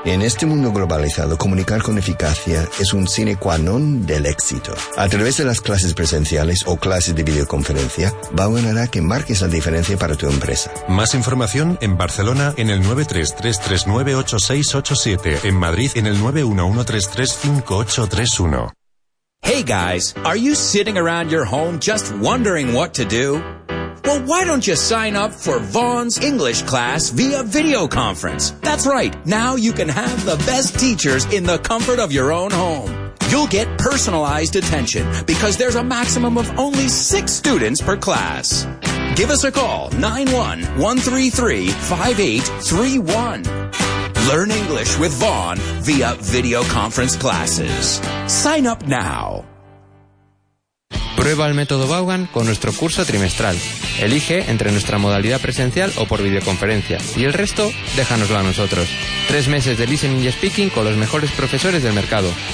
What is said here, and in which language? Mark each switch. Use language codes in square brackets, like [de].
[es] En este mundo globalizado, comunicar con eficacia es un sine qua non del éxito. A través de las clases presenciales o clases de videoconferencia, Vaughan hará que marques la diferencia para tu empresa. Más información en Barcelona en el 933-398-687, en Madrid en el 911-335-831. [en] Hey guys, are you sitting around your home just wondering what to do? Well, why don't you sign up for Vaughan's English class via video conference? That's right, now you can have the best teachers in the comfort of your own home. You'll get personalized attention because there's a maximum of only 6 students per class. Give us a call, 91-133-5831. Learn English with Vaughan via video conference classes. Sign up now. [es] Prueba el método Vaughan con nuestro curso trimestral. Elige entre nuestra modalidad presencial o por videoconferencia. Y el resto, déjanoslo a nosotros. 3 meses de listening y speaking con los mejores profesores del mercado.